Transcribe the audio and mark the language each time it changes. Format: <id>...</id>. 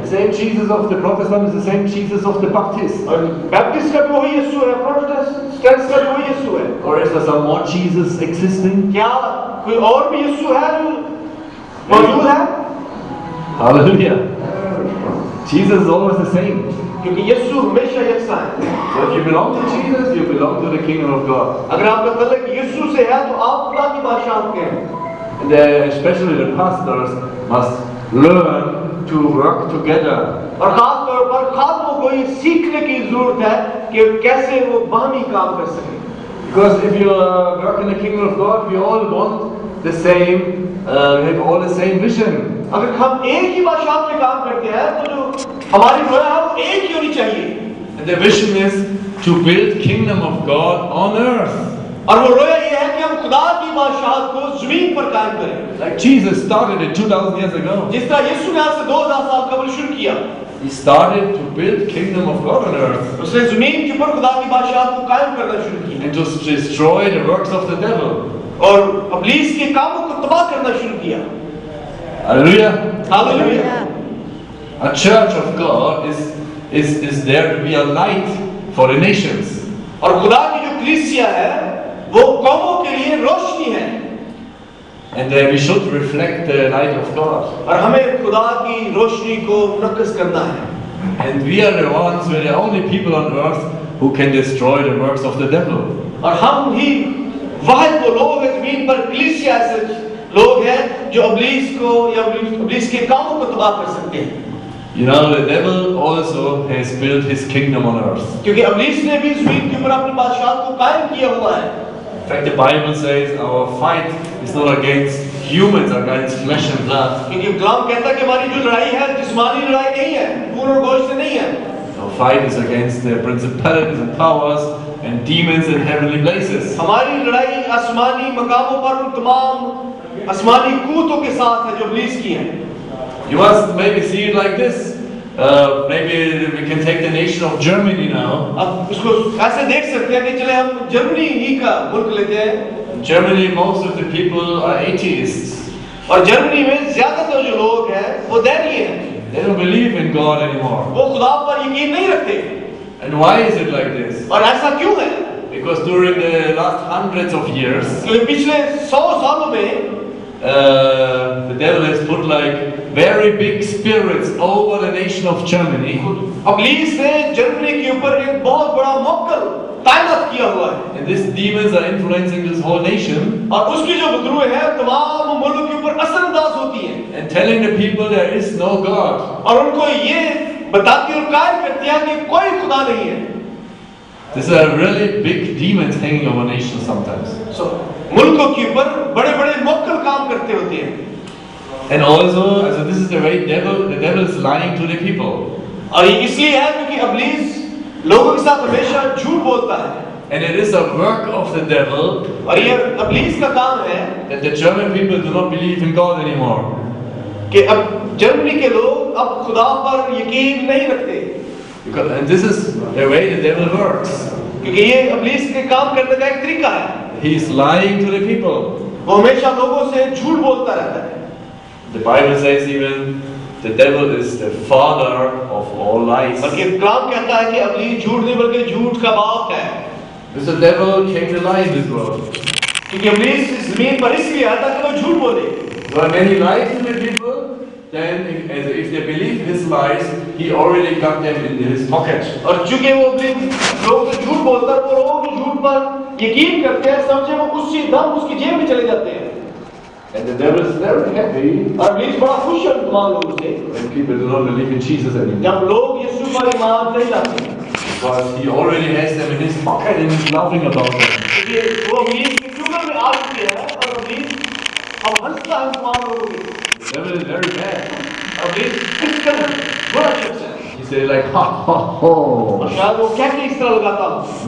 <en>Same Jesus of the Protestant is the same Jesus of the Baptist.</en> <hi>और Baptist का भी वही यीशु है, Protestants का भी वही यीशु है.</hi> <en>Or is there some more Jesus existing?</en> <hi>क्या कोई और भी यीशु है जो मौजूद है?</hi> <en>Hallelujah. Jesus is always the same.</en> <hi>क्योंकि यीशु हमेशा यकसा है.</hi> <en>So if you belong to Jesus, you belong to the kingdom of God.</en> <hi>अगर आपका तल्लक यीशु से है तो आप खुदा की बादशाहत के हैं.</hi> <en>And especially the pastors must learn to work together.</en> <hi>और खास तौर पर खास वो कोई सीखने की जरूरत है कि कैसे वो बाहमी काम कर सके.</hi> <en>Because if you work in the kingdom of God, we all want the same, we have all the same vision.</en> <hi>अगर हम एक ही बादशाह में काम करते हैं तो जो हमारी दुआ है वो एक ही होनी चाहिए.</hi> <en>And the vision is to build kingdom of God on earth.</en> <hi>और वो रोया ये है कि हम खुदा की बादशाहत को जमीन पर कायम करें.</hi> <en>Like Jesus started it 2000 years ago.</en> <hi>जिस तरह यीशु ने आज से 2000 साल पहले शुरू किया.</hi> <en>He started to build kingdom of God on earth.</en> <hi>उसने जमीन के ऊपर खुदा की बादशाहत को कायम करना शुरू किया.</hi> <en>And just destroy the works of the devil.</en> <hi>और इब्लीस के कामों को तबाह करना शुरू किया.</hi> <en>Hallelujah. Hallelujah. A church of God is there to be a light for the nations.</en> <hi>और खुदा की जो कलीसिया है वो कौमों के लिए रोशनी है.</hi> <en>And then we should reflect the light of God.</en> <hi>और हमें खुदा की रोशनी को नकस करना है.</hi> <en>And we are the ones, we are the only people on earth who can destroy the works of the devil.</en> <hi>और हम ही वाहिद वो लोग हैं ज़मीन पर, कलीसिया ऐसे लोग हैं जो इब्लीस को या इब्लीस के कामों को तबाह कर सकते हैं.</hi> <en>You know, the devil also has built his kingdom on earth.</en> <hi>क्योंकि इब्लीस ने भी ज़मीन के ऊपर अपनी बादशाहत को कायम किया हुआ है.</hi> <en>In fact, the Bible says our fight is not against humans, but against flesh and blood.</en> <hi>क्योंकि कलाम कहता है कि हमारी जो लड़ाई है जिस्मानी लड़ाई नहीं है, खून और गोश्त से नहीं है.</hi> <en>Our fight is against the principalities and powers and demons in heavenly places.</en> <hi>हमारी लड़ाई आसमानी मकामों पर उन तमाम आसमानी कूतों के साथ है जो इब्लीस की है.</hi> <en>You must maybe see it like this. Maybe we can take the nation of Germany now.</en> <hi>अब उसको ऐसे देख सकते हैं कि चले हम जर्मनी ही का मुल्क लेते हैं.</hi> <en>Germany, most of the people are atheists.</en> <hi>और जर्मनी में ज्यादातर जो लोग हैं वो दैनीय हैं.</hi> <en>They don't believe in God anymore.</en> <hi>वो खुदा पर यकीन नहीं रखते.</hi> <en>And why is it like this?</en> <hi>और ऐसा क्यों है?</hi> <en>Because during the last hundreds of years.</en> <hi>क्योंकि पिछले 100 सालों में</hi> <en>The devil has put like very big spirits over the nation of Germany.</en> <hi>इब्लीस ने जर्मनी के ऊपर एक बहुत बड़ा मक्कल तैनात किया हुआ है.</hi> <en>And these demons are influencing this whole nation.</en> <hi>और उसकी जो बदरुए हैं तमाम मुल्क के ऊपर असर अंदाज होती हैं.</hi> <en>And telling the people there is no God.</en> <hi>और उनको ये बताती और कायम करती है कि कोई खुदा नहीं है.</hi> <en>These are really big demons hanging over nation sometimes.</en> <hi>So मुल्कों के ऊपर बड़े-बड़े मक्कल काम करते होते हैं.</hi> <en>And also, so this is the way the devil is lying to the people.</en> <hi>और ये इसलिए है क्योंकि इब्लीस लोगों के साथ हमेशा झूठ बोलता है.</hi> <en>And it is a work of the devil.</en> <hi>और ये इब्लीस का काम है.</hi> <en>That the German people do not believe in God anymore.</en> <hi>कि अब जर्मनी के लोग अब खुदा पर यकीन नहीं रखते.</hi> <en>Because and this is the way the devil works.</en> <hi>क्योंकि ये इब्लीस के काम करने का एक तरीका है.</hi> <en>He is lying to the people.</en> <hi>वो हमेशा लोगों से झूठ बोलता रहता है.</hi> <en>The Bible says even the devil is the father of all lies.</en> <hi>बल्कि कलाम कहता है कि इब्लीस झूठ नहीं बल्कि झूठ का बाप है.</hi> <en>Because the devil came to lie in this world.</en> <hi>क्योंकि इब्लीस इस ज़मीन पर इसलिए आया ताकि वो झूठ बोले.</hi> <en>But when he lies to the people, then if they believe his lies, he already got them in his pocket.</en> <hi>और चूंकि वो इब्लीस लोगों से झूठ बोलता है, वो लोग झूठ पर यकीन करते हैं, समझे वो उसी दम उसकी जेब में चले जाते हैं.</hi> <en>And the devil is very happy.</en> <hi>और इब्लीस बड़ा खुश है तमाम लोगों से.</hi> <en>When people do not believe in Jesus anymore.</en> <hi>जब लोग यीशु पर ईमान नहीं लाते.</hi> <en>because he already has them in his pocket and he's laughing about them. That is very bad. He said, like, ha ha ha.</en>